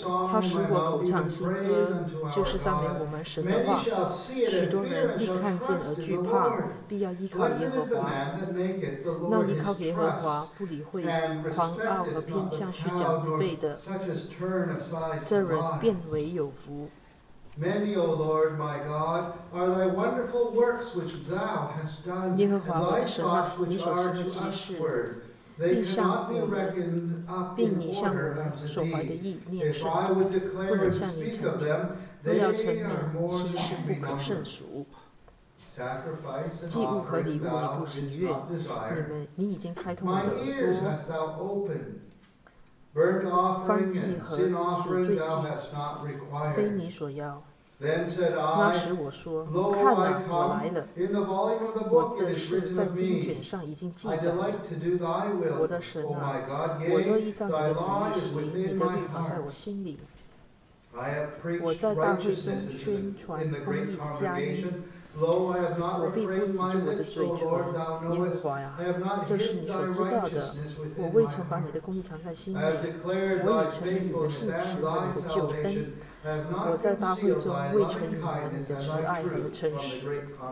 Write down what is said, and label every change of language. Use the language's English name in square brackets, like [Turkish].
[Chinese] 他使我口唱新歌，就是赞美我们神的话。许多人必看见而惧怕，必要依靠耶和华。那依靠耶和华不理会狂傲和偏向虚假之辈的，这人变为有福。 [English] Many, O Lord, my God, are thy wonderful works which thou hast done, and thy thoughts which are to us word. They cannot be reckoned up in order unto thee. If I would declare and speak of them, they are more than should be numbered. Sacrifice and offering thou didst not desire. My ears hast thou opened. Burnt offering and sin offering thou hast not required. Then said I, Lo, I come. In the volume of the book it is written of me. I delight to do thy will, O my God. Yea, thy law is within my heart. I have preached righteousness in the great congregation. [Chinese] 我必不止住我的嘴唇，耶和华呀，这是你所知道的。我未曾把你的公义藏在心里，我已承认你的信实和你的救恩。我在大会中未曾隐瞒你的慈爱和诚实。